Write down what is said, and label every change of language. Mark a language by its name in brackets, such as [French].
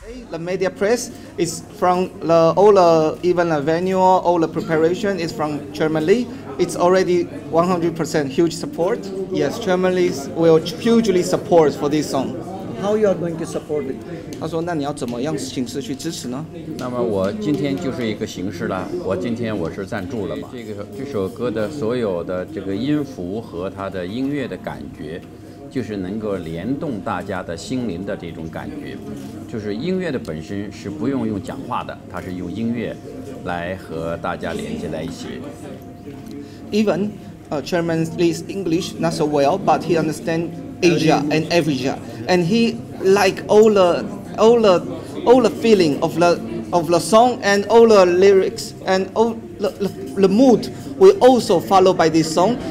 [English] The media press is from the venue, all the preparation is from Chairman Lee. It's already 100% huge support. Yes, Chairman Lee will hugely support for this song. How you are going to support it? [Chinese] 他说：“那你要怎么样形式去支持呢？” 那么我今天就是一个形式了。我今天我是赞助了嘛。这首歌的所有的这个音符和它的音乐的感觉。就是能够联动大家的心灵的这种感觉，就是音乐的本身是不用用讲话的，它是用音乐来和大家连接在一起。 [English] Even Chairman Lee's English not so well, but he understand Asia and Africa, and he like all the feeling of the song and all the lyrics and all the mood will also follow by this song.